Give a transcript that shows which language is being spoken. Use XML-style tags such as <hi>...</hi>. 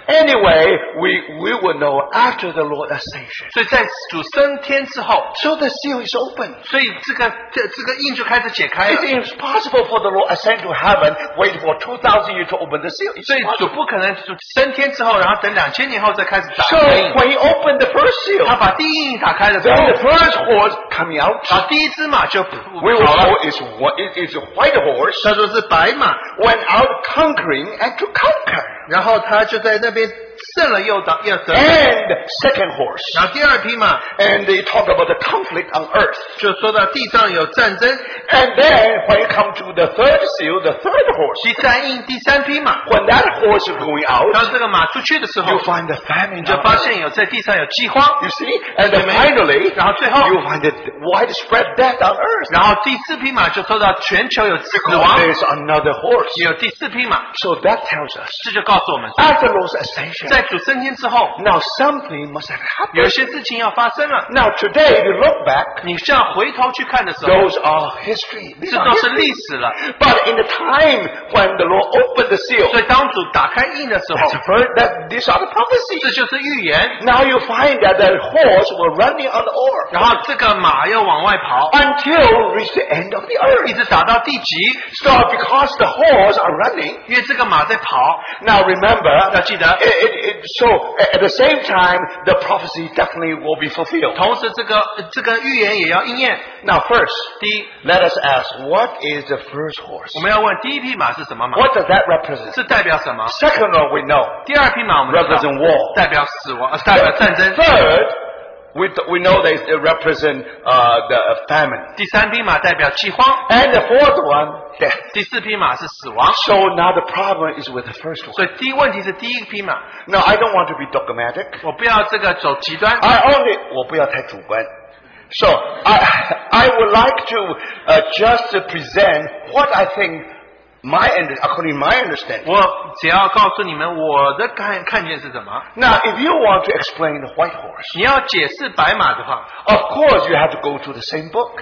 <en>anyway, we will know after the Lord Ascension.</en> <zh>所以在主升天之后,</zh> <en>so the seal is open.</en> <zh>所以这个印就开始解开了。</zh> <en>It is impossible for the Lord Ascension to happen, wait for 2,000 years to open the seal.</en> <zh>所以主不可能升天之后, 然后等2,000年后再开始打开。</zh> <en>So when he opened the first seal,</en> <zh>他把第一印打开了,</zh> <en>Then the first horse coming out.</en> <zh>把第一只马就跑了。</zh> <en>It's a white horse.</en> <zh>他说是白马,</zh> <en>went out conquering and to conquer.</en> <zh>然后他就在那边胜了又得。</zh> <en>And second horse.</en> <zh>然后第二匹马,</zh> <en>and they talk about the conflict on earth.</en> <zh>就说到地上有战争。</zh> <en>And then when you come to the third seal, the third horse.</en> <zh>第三印第三匹马,</zh> <en>when that horse is going out,</en> <zh>当这个马出去的时候,</zh> <en>you find the famine.</en> <zh>就发现有在地上有饥荒,</zh> <en>you see? And then finally,</en> <zh>然后最后,</zh> <en>you find the widespread death on earth.</en> <zh>然后第四匹马就说到全球有死亡,</zh> <en>there is another horse.</en> <zh>有第四匹马,</zh> <en>so that tells us,</en> <zh>这就告诉我们,</zh> <en>at the Lord's ascension,</en> <zh>在主升天之后,</zh> <en>now something must have happened.</en> <zh>有些事情要发生了。</zh> <en>Now today, if you look back,</en> <zh>你这样回头去看的时候,</zh> <en>those are history.</en> <zh>这都是历史了。</zh> <en>But in the time when the Lord opened the seal,</en> <zh>所以当主打开印的时候,</zh> <en>these are the prophecies.</en> <zh>这就是预言。</zh> <en>Now you find that the horse was running on the ore.</en> <zh>然后这个马要往外跑,</zh> <en>until reach the end of the earth.</en> <zh>一直打到地极。</zh> <en>So because the horse are running,</en> <zh>因为这个马在跑,</zh> <en>now remember,</en> <zh>要记得,</zh> <en>so at the same time, the prophecy definitely will be fulfilled.</en> <zh>同时这个预言也要应验。</zh> <en>Now first,</en> <zh>第一,</zh> <en>let us ask, what is the first horse?</en> <zh>我们要问第一匹马是什么马?</zh> <en>What does that represent?</en> <zh>是代表什么?</zh> <en>Second one we know,</en> <zh>第二匹马我们知道,</zh> <en>represent war.</en> <zh>代表死亡，代表战争。</zh> <en>Third, we know that it represents the famine.</en> <zh>第三匹马代表饥荒。</zh> <en>And the fourth one, death.</en> <zh>第四匹马是死亡。</zh> <en>So now the problem is with the first one.</en> <zh>所以第一问题是第一匹马。</zh> <en>No, I don't want to be dogmatic.</en> <zh>我不要这个走极端。</zh> <en>I only,</en> <zh>我不要太主观。</zh> <en>So I would like to just present what I think according to my understanding.</en> <zh>我只要告诉你们我的看见是什么。</zh> <en>Now, if you want to explain the white horse,</en> <zh>你要解释白马的话,</zh> <en>of course you have to go to the same book.</en>